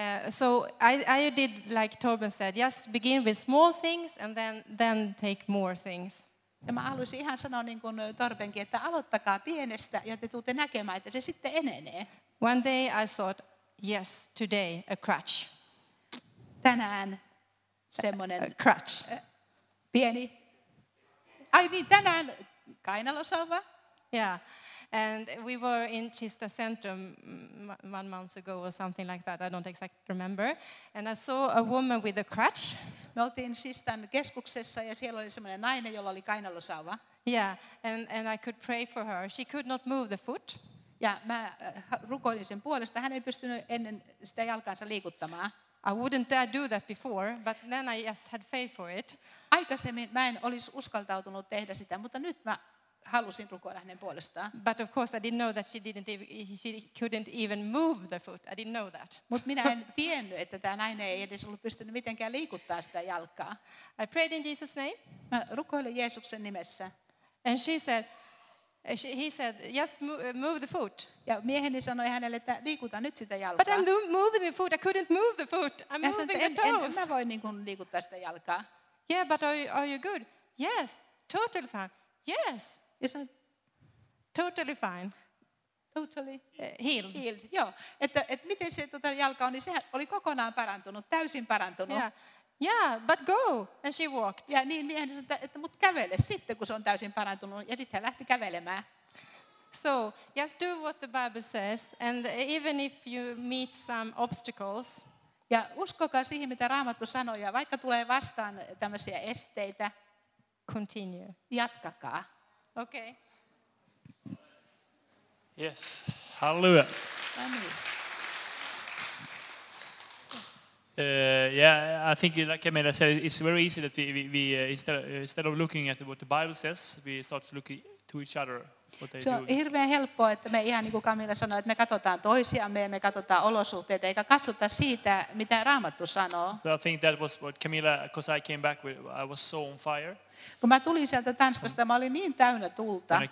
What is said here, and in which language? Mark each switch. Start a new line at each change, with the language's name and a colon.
English: So I did like Torben said, just begin with small things and then take more things.
Finnish: Ja mä haluaisin ihan sanoa niin kuin Torbenkin, että aloittakaa pienestä ja te tuutte näkemään, että se sitten enenee.
English: One day I thought, yes, today a crutch.
Finnish: Tänään semmoinen
English: a crutch.
Finnish: Pieni. Ai niin, tänään kainalosauva.
English: Yeah. And we were in Kista Centrum 1 month ago or something like that. I don't exactly remember. And I saw a woman with a crutch.
Finnish: Me oltiin Kistan keskuksessa ja siellä oli semmoinen nainen, jolla oli kainalosauva.
English: Yeah, and I could pray for her. She could not move the foot.
Finnish: Ja mä rukoilin sen puolesta. Hän ei pystynyt ennen sitä jalkansa liikuttamaan.
English: I wouldn't dare do that before, but then I just had faith for it.
Finnish: Aikaisemmin mä en olisi uskaltautunut tehdä sitä, mutta nyt mä halusin rukoilla hänen puolestaan.
English: But of course I didn't know that she couldn't even move the foot. I didn't know that.
Finnish: Mut minä en tiennyt, että tämä nainen ei edes ollut pystynyt mitenkään liikuttaa sitä jalkaa.
English: I prayed in Jesus' name.
Finnish: Mä rukoilin Jeesuksen nimessä.
English: And he said, just move the foot.
Finnish: Ja mieheni sanoi hänelle, että liikuta nyt sitä jalkaa.
English: But I'm moving the foot. I couldn't move the foot. I'm
Finnish: mä
English: moving
Finnish: sanoin,
English: the toes.
Finnish: En mä voi niin kuin liikuttaa sitä jalkaa.
English: Yeah, but are you good? Yes, totally fine. Yes. Totally fine. Totally healed.
Finnish: Joo, että miten se tota jalka on, niin sehän oli kokonaan parantunut, täysin parantunut.
English: Yeah, but go. And she walked.
Finnish: Ja niin mieheni sanoi, että mut kävele sitten, kun se on täysin parantunut. Ja sitten hän lähti kävelemään.
English: So, just do what the Bible says. And even if you meet some obstacles.
Finnish: Ja uskokaa siihen, mitä Raamattu sanoi. Ja vaikka tulee vastaan tämmöisiä esteitä.
English: Continue.
Finnish: Jatkakaa.
English: Okay. Yes. Hallelujah. I think, like Camilla said, it's very easy that we instead of looking at what the Bible says, we start to look to each other what they do.
Finnish: Se on hirveän helppoa, että me ihan niin kuin Camilla sanoi, että me katsotaan toisiamme ja me katsotaan olosuhteita, eikä katsota siitä, mitä Raamattu sanoo.
English: So I think that was what Camilla, because I came back, I was so on fire.
Finnish: Kun mä tulin sieltä Tanskasta, mä olin niin täynnä tulta.